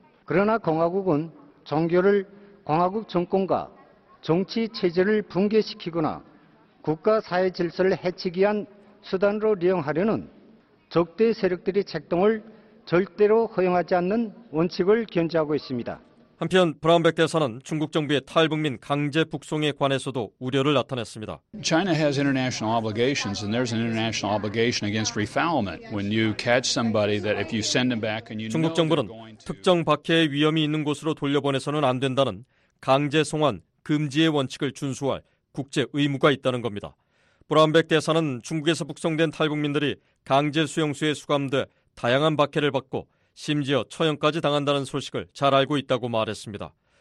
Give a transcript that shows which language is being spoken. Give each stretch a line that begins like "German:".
Korean: 그러나 공화국은 종교를 공화국 정권과 정치 체제를 붕괴시키거나 국가 사회 질서를 해치기 위한 수단으로 이용하려는 적대 세력들의 책동을 절대로 허용하지 않는 원칙을 견지하고 있습니다. 한편 브라운백 대사는 중국 정부의 탈북민 강제 북송에 관해서도 우려를 나타냈습니다.
English: China has international obligations and there's an international obligation against refoulement. When you catch somebody that if you send them back and you
Korean: 중국 정부는 특정 박해의 위험이 있는 곳으로 돌려보내서는 안 된다는 강제 송환 금지의 원칙을 준수할 국제 의무가 있다는 겁니다. 브라운백 대사는 중국에서 북송된 탈북민들이 강제 수용소에 수감돼 다양한 박해를 받고 심지어 처형까지 당한다는 소식을 잘 알고 있다고 말했습니다.